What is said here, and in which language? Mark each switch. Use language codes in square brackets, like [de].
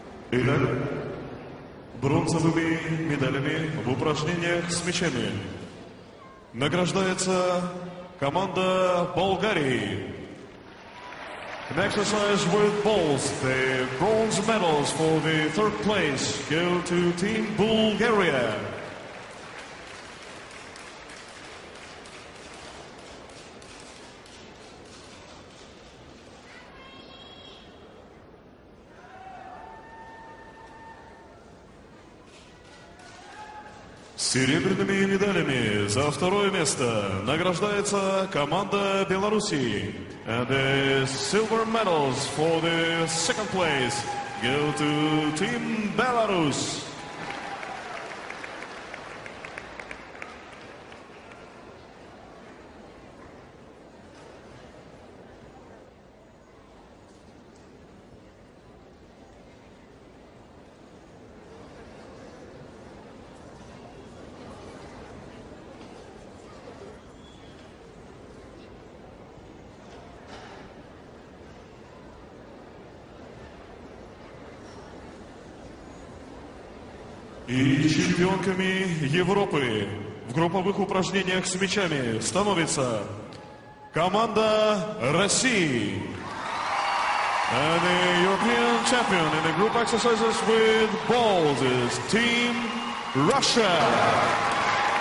[ru] Итак, бронзовыми медалями в упражнениях с мячами награждается команда Болгарии. [en] In exercise with balls, the bronze medals for the third place go to Team Bulgaria. [ru] Серебряными медалями за второе место награждается команда Белоруссии. [en] And the silver medals for the second place go to Team Belarus. [ru] И чемпионками Европы в групповых упражнениях с мячами становится команда России. [en] And the European champion in the group exercises with balls is Team Russia.